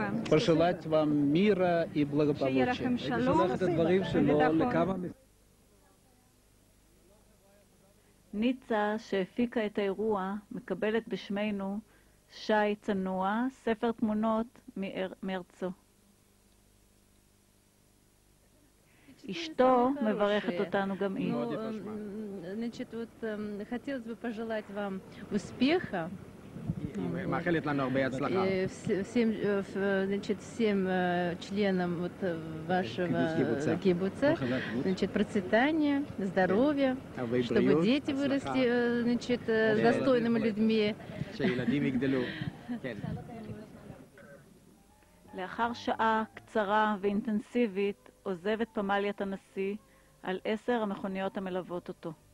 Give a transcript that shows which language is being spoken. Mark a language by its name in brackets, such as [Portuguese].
[Russian] Пожелать вам мира и благополучия. [Hebrew] ניצה שהפיקה את האירוע מקבלת בשמנו שי צנוע, ספר תמונות מארצו. אשתו מברכת אותנו גם היא. [Russian] значит, вот хотелось бы пожелать вам успеха. [Hebrew] מאחלת לנו הרבה הצלחה. [Russian] всем членам вот вашего кибуца, значит, процветания, здоровья, чтобы дети выросли, значит, достойными людьми. [Hebrew] שילדים יגדלו. לאחר שעה קצרה ואינטנסיבית עוזבת פמליית הנשיא על 10 המכוניות המלוות אותו.